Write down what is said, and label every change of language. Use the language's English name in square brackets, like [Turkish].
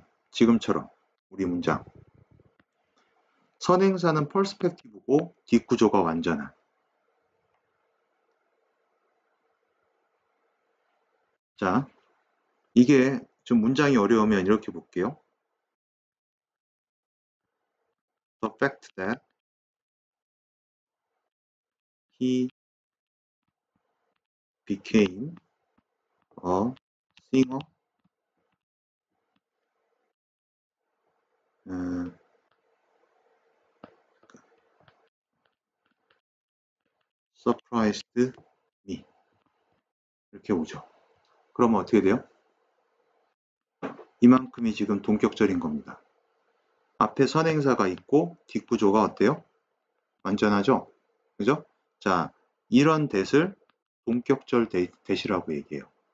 [Korean] 지금처럼 우리 문장. 선행사는 퍼스펙티브고 뒷구조가 완전한. 자, 이게 좀 문장이 어려우면 이렇게 볼게요. [English] The fact that he became a singer surprised me. [Korean] 이렇게 오죠. 그러면 어떻게 돼요? 이만큼이 지금 동격절인 겁니다. 앞에 선행사가 있고 뒷구조가 어때요? 완전하죠? 그죠? 자, 이런 뜻을 본격절 대시라고 얘기해요.